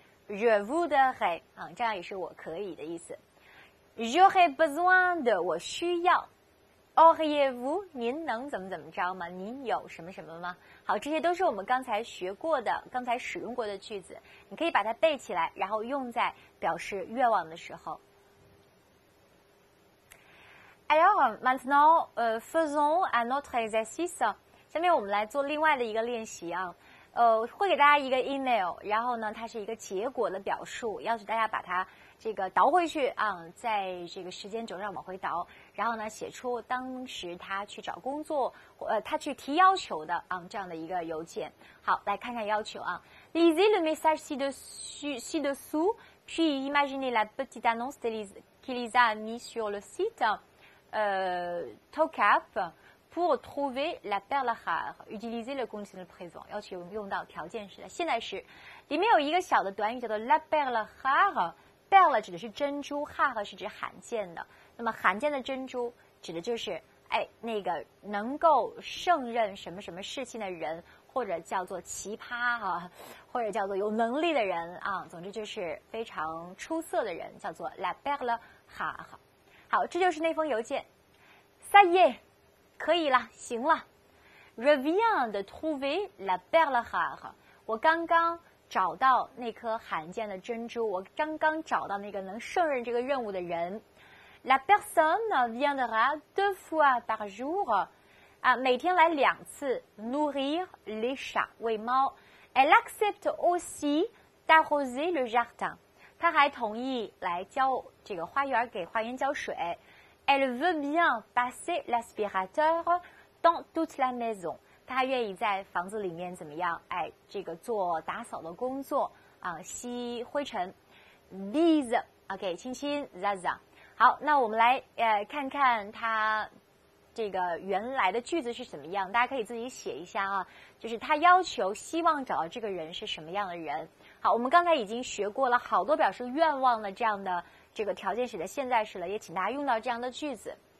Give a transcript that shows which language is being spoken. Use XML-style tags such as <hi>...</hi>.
<fr>Je voudrais,</fr> <zh>这样也是我可以的意思。</zh> <fr>J'aurais besoin de,</fr> <zh>我需要。</zh> <fr>Auriez-vous,</fr> <zh>您能怎么怎么着吗？您有什么什么吗？好，这些都是我们刚才学过的，刚才使用过的句子。你可以把它背起来，然后用在表示愿望的时候。</zh> <fr>Alors, maintenant, faisons un autre exercice.</fr> <zh>下面我们来做另外的一个练习啊，会给大家一个 email, 然后呢它是一个结果的表述，要是大家把它这个倒回去啊，在这个时间轴上往回倒，然后呢写出当时他去找工作他去提要求的啊，这样的一个邮件。好，来看看要求啊。</zh> <fr>Lisez le message ci-dessous, puis imaginez la petite annonce qui les a mis sur le site, TOCAP,Pour trouver la perle rare, utiliser le conditionnel présent,</fr> <zh>要求用到条件时的现在时。里面有一个小的短语叫做 la perle rare, perle 指的是珍珠， rare 是指罕见的。那么罕见的珍珠指的就是那个能够胜任什么什么事情的人，或者叫做奇葩啊，或者叫做有能力的人啊，总之就是非常出色的人，叫做 la perle rare。好，这就是那封邮件。</zh> <fr>Ça y est!</fr> <zh>可以了，行了。</zh> <fr>Je viens de trouver la perle rare.</fr> <zh>我刚刚找到那颗罕见的珍珠，我刚刚找到那个能胜任这个任务的人。</zh> <fr>La personne viendra deux fois par jour.</fr> <zh>每天来两次</zh> <fr>nourrir les chats,</fr> <zh>喂猫。</zh> <fr>Elle accepte aussi d'arroser le jardin.</fr> <zh>她还同意来浇这个花园，给花园浇水。</zh> <fr>Elle veut bien passer l'aspirateur dans toute la maison.</fr> <zh>她愿意在房子里面怎么样？这个做打扫的工作啊，吸灰尘。 Bise, OK, 亲亲 ，Zaza。好，那我们来看看她这个原来的句子是怎么样。大家可以自己写一下啊，就是她要求希望找到这个人是什么样的人。好，我们刚才已经学过了好多表示愿望的这样的。这个条件时的现在时了，也请大家用到这样的句子。</zh>